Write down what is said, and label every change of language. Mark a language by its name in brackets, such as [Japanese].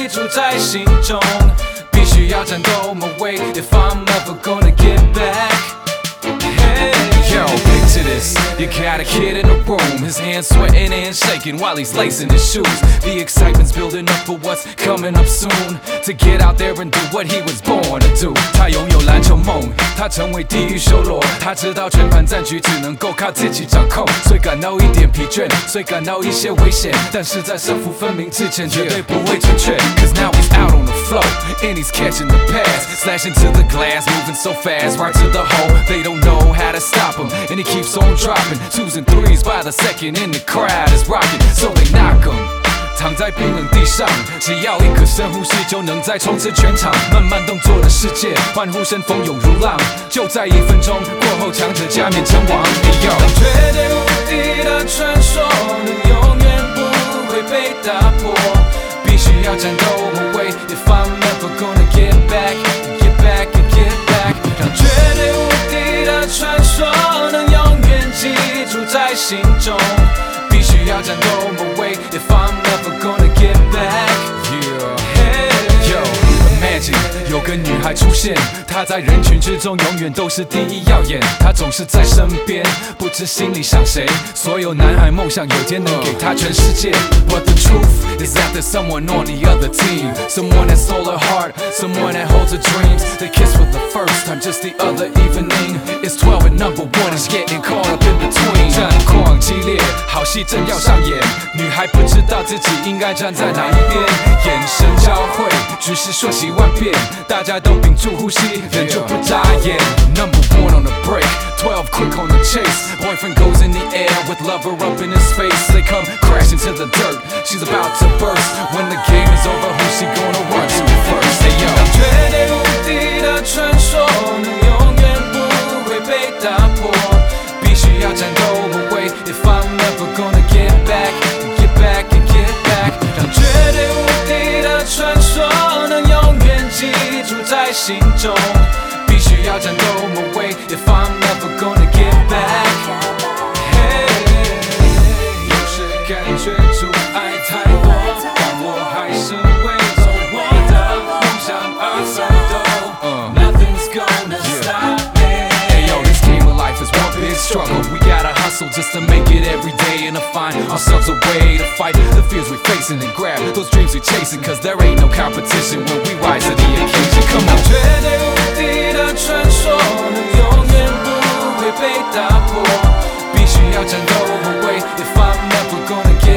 [Chinese] 在心中，必须要战斗 [English] my way, if I'm ever gonna get back、hey. Yo, picture this, you got a kid in a room, his hands sweating and shaking while he's lacing his shoes. The excitement's building up for what's coming up soon, to get out there and do what he was born to do. [Chinese] 他拥有篮球梦，他成为地狱修罗，他知道全盘战局只能够靠自己掌控，虽感到一点疲倦，虽感到一些危险，但是在胜负分明之前绝对不会准确。 [English] Cause now he's out on the floor and he's catching the pass, slashing to the glass, moving so fast, right to the hole, they don't know how to stop him, and he keeps on dropping, choosing threes by the second, and the crowd is rocking, so they knock him. [Chinese] 躺在冰冷地上，只要一个深呼吸就能再冲刺全场，慢慢动作的世界，欢呼声蜂拥如浪，就在一分钟过后，强者加冕称王。 [English] Hey, yo, [Chinese] 当绝对无敌的传说永远不会被打破，必须要战斗无畏， [English] if I'm never gonna get back, [Chinese] get back, get back。当绝对无敌的传说能永远记住在心中，必须要战斗无畏， [English] if I'm never gonna get back、yeah. hey. Yo, imagine [Chinese] 有个女孩出现，她在人群之中永远都是第一耀眼，她总是在身边，不知心里想谁，所有男孩梦想有天能给她全世界。 [English] But the truth is that there's someone on the other team, someone that stole her heart, someone that holds her dreams. They kiss for the first time, just the other evening. It's 12 and number one is getting caught up in between. [Chinese] 战况激烈，好戏正要上演，女孩不知道自己应该站在哪一边，眼神交汇，局势瞬息万变，大家都屏住呼吸，忍住不眨眼。 [English] Number one on the break, 12 quick on the chase, boyfriend goes in the air with lover up in his face. They come crashing to the dirt, she's about to burst. When the game is over, who's she gonna run to first? Hey, yo. [Chinese] 绝对无敌的传说能永远不会被打破，必须要战斗无畏， [English] if I'm never gonna get back, get back and get back. [Chinese] 让绝对无敌的传说能永远记住在心中，要战斗无畏， [English] if I'm never gonna get back、hey、 [Chinese] 有时感觉阻碍太多，但我还是为了我的梦想而战斗、 [English] Nothing's gonna、yeah. stop me. Hey yo, this game of life is one big struggle, we gotta hustle just to make it every day, and to find ourselves a way to fight the fears we're facing and grab those dreams we're chasing, cause there ain't no competition, we'll be rise to the occasion. Come on, [Chinese] 绝对无敌的传说能永远不会被打破，必须要战斗无畏， [English] if I'm never gonna